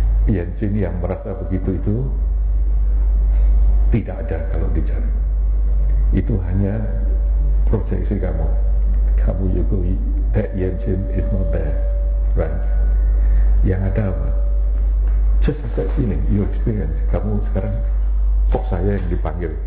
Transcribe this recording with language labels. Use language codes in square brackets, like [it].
[id] Yenshin yang merasa begitu itu tidak ada kalau dicari. Itu hanya proyeksi kamu. Kamu juga, [en] that Yenshin is not there, right? [id] Yang ada apa? [en] Just that feeling, your experience. [id] Kamu sekarang, kok saya yang dipanggil?